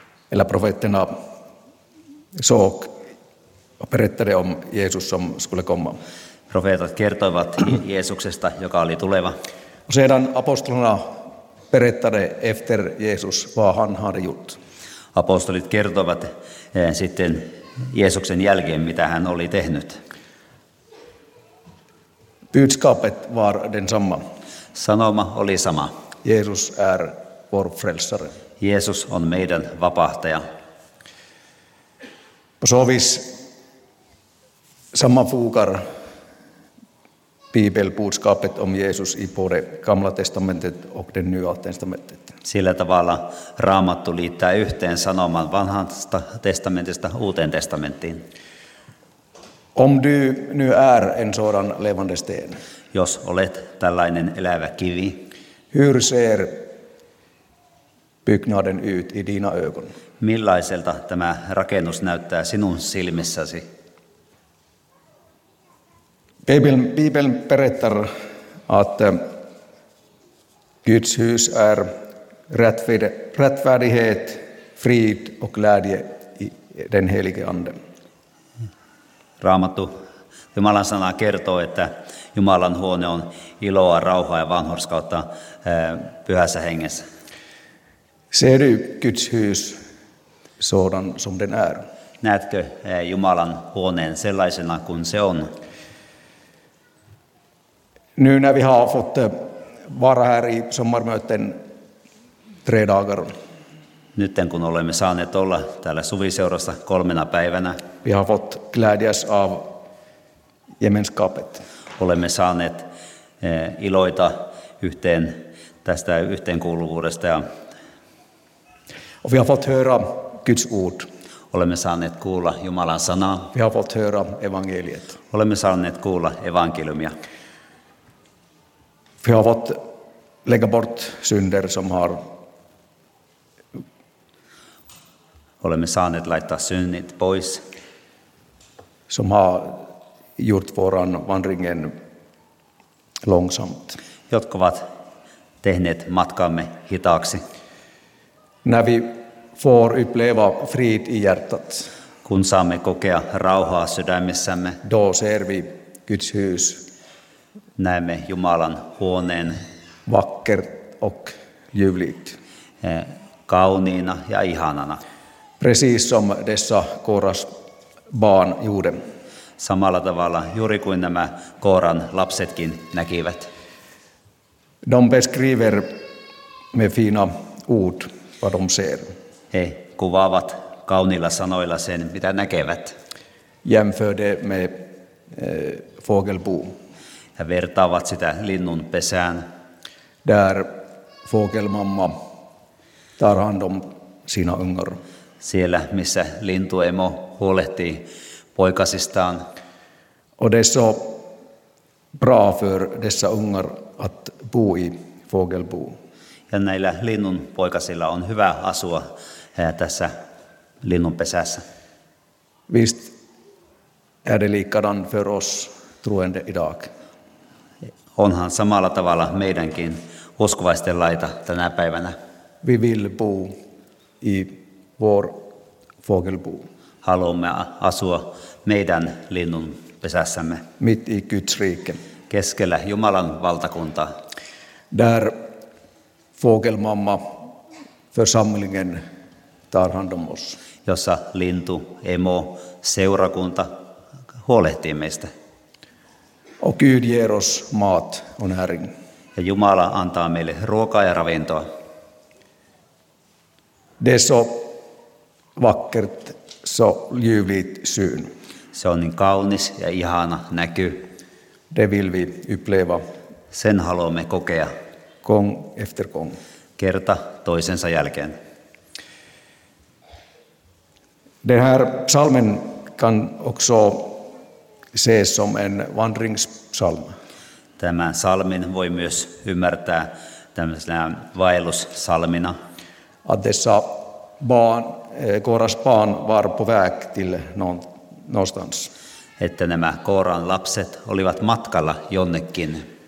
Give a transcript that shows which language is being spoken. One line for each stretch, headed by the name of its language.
Swedish: Eller profeterna såg och berättade om Jesus som skulle komma.
Finnish: Profeetat kertoivat Jeesuksesta, joka oli tuleva.
Swedish: Sedan apostolina berättade efter Jesus vad han hade gjort.
Finnish: Apostolit kertoivat sitten Jeesuksen jälkeen, mitä hän oli tehnyt.
Swedish: Budskapet var densamma.
Finnish: Sanoma oli sama.
Swedish: Jesus är vår frälsare.
Finnish: Jeesus on meidän vapahtaja.
Swedish: På så vis sammanfogar bibelbudskapet om Jesus i både Gamla testamentet och det Nya testamentet.
Finnish: Sillä tavalla Raamattu liittää yhteen sanoman Vanhasta testamentista Uuteen testamenttiin.
Swedish: Om du nu är en sådan levande sten.
Finnish: Jos olet tällainen elävä kivi.
Swedish: Hur ser byggnaden ut i dina ögon?
Finnish: Millaiselta tämä rakennus näyttää sinun silmissäsi?
Swedish: Bibeln berättar att Guds hus är rättfärdighet, frid och glädje i den helige anden.
Finnish: Raamattu, Jumalan sana kertoo, että Jumalan huone on iloa, rauhaa ja vanhurskautta pyhässä hengessä.
Swedish: Ser du Guds hus sådan som den är?
Finnish: Näetkö Jumalan huoneen sellaisena kuin se on?
Swedish: Nu när vi har fått vara här i sommarmöten tre dagar.
Finnish: Nytten kun olemme saaneet olla täällä suviseurassa kolmena päivänä.
Swedish: Vi har fått glädjas av gemenskapet.
Finnish: Olemme saaneet iloita yhteen tästä yhteenkuuluvuudesta.
Swedish: Ja vi har fått höra Guds ord.
Finnish: Olemme saaneet kuulla Jumalan sanaa.
Swedish: Vi har fått höra evangeliet.
Finnish: Olemme saaneet kuulla evankeliumia.
Swedish: Vi har fått lägga bort synder som har.
Finnish: Olemme saaneet laittaa synnit pois.
Swedish: Som har gjort våran vandringen långsamt.
Finnish: Jotka ovat tehneet matkamme hitaaksi.
Swedish: När vi får uppleva frid i hjärtat.
Finnish: Kun saamme kokea rauhaa sydämissämme.
Swedish: Då ser vi Guds hus.
Finnish: Näemme Jumalan huoneen
Swedish: vacker och ljuvligt.
Finnish: Kauniina ja ihanana.
Swedish: Precis som dessa Koras barn gjorde.
Finnish: Samalla tavalla juuri kuin nämä Koran lapsetkin näkivät.
Swedish: De beskriver med fina ord vad de ser.
Finnish: He kuvaavat kauniilla sanoilla sen mitä näkevät.
Swedish: Jämförde med fågelbo.
Finnish: Ja vertaavat sitä linnun pesään.
Swedish: Där fågelmamma tar hand om sina ungar.
Finnish: Siellä missä lintuemo huolehtii poikasistaan.
Swedish: Och det är så bra för dessa ungar att bo i fågelbo.
Finnish: Ja näillä linnun poikasilla on hyvä asua tässä linnun pesässä.
Swedish: Visst är det likadan för oss troende idag.
Finnish: Onhan samalla tavalla meidänkin uskovaisten laita tänä päivänä.
Swedish: Vi vill bo i vår fågelbo.
Finnish: Haluamme asua meidän linnun pesässämme.
Swedish: Mitt i Guds rike.
Finnish: Keskellä Jumalan valtakuntaa.
Swedish: Där fågelmamma församlingen tar hand om oss.
Finnish: Jossa lintu, emo, seurakunta huolehtii meistä.
Swedish: Och Gud ger oss mat och näring.
Finnish: Ja Jumala antaa meille ruokaa ja ravintoa.
Swedish: Det är så vackert, så ljuvligt syn.
Finnish: Se on niin kaunis ja ihana näky.
Swedish: Det vill vi uppleva.
Finnish: Sen haluamme kokea.
Swedish: Gång efter gång.
Finnish: Kerta toisensa jälkeen.
Swedish: Den här psalmen kan också ses som en vandringspsalm.
Finnish: Tämän psalmin voi myös ymmärtää tämmöisenä vaellussalmina.
Swedish: Att dessa barn, Kooras barn var på väg till någonstans.
Finnish: Että nämä Kooran lapset olivat matkalla jonnekin.